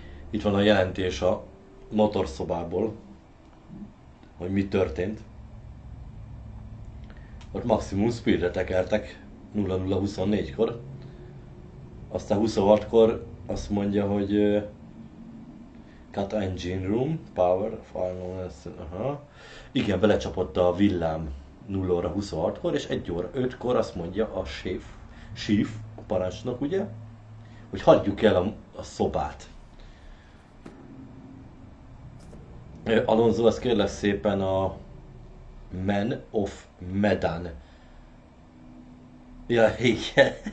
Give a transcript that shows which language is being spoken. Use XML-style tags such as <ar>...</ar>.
<hu>Itt van a jelentés a motorszobából, hogy mi történt. Ott maximum speedre tekertek 0024-kor. Aztán 26-kor azt mondja, hogy</hu> <en>Cut engine room, power, final, aha.</en> <hu>Igen, belecsapott a villám 0 óra 26-kor, és 1 óra 5-kor azt mondja a chief, a parancsnok, ugye, hogy hagyjuk el a szobát. Alonso, ezt kérlek szépen a Man of Medan. Ja, igen.</hu>